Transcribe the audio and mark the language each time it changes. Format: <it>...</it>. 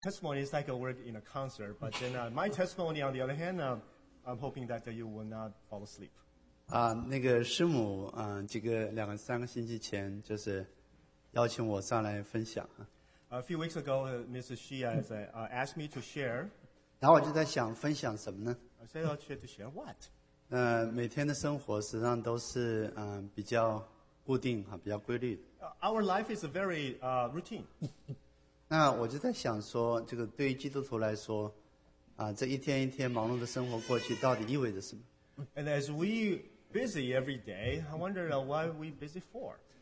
<en>testimony is like a word in a concert, but then my testimony, on the other hand, I'm hoping that you will not fall asleep.</en> <zh>那个师母，这个两三个星期前就是邀请我上来分享。</zh> <en>A few weeks ago, Mrs. Xi has asked me to share.</en> <zh>然后我就在想分享什么呢？</zh> <en>I said, I'll try to share what?</en> <zh>每天的生活实际上都是比较固定，比较规律。Our</zh> <en>life is very routine.</en> <zh>那我就在想说，这个对于基督徒来说，这一天一天忙碌的生活过去到底意味着什么？And</zh> <en>as we busy every day, I wonder why we busy for.</en>